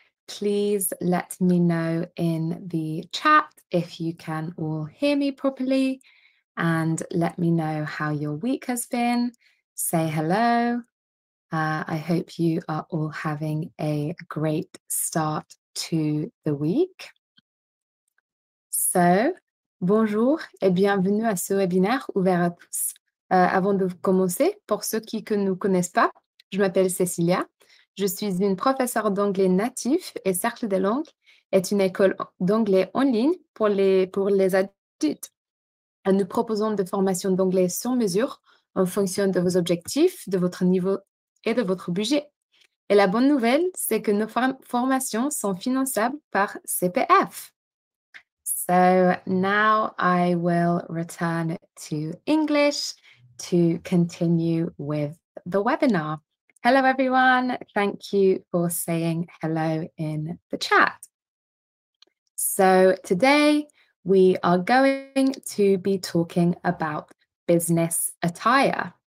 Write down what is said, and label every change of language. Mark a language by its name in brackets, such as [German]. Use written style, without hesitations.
[English] Please let me know in the chat if you can all hear me properly and let me know how your week has been. Say hello. I hope you are all having a great start to the week. [French] So, bonjour et bienvenue à ce webinaire ouvert à tous. Avant de commencer, pour ceux qui ne nous connaissent pas, je m'appelle Cécilia. Je suis une professeure d'anglais natif et Cercle des Langues est une école d'anglais en ligne pour les adultes. Nous proposons des formations d'anglais sur mesure en fonction de vos objectifs, de votre niveau et de votre budget. Et la bonne nouvelle, c'est que nos formations sont finançables par CPF. [English] So now I will return to English to continue with the webinar. Hello everyone, thank you for saying hello in the chat. So today we are going to be talking about business attire.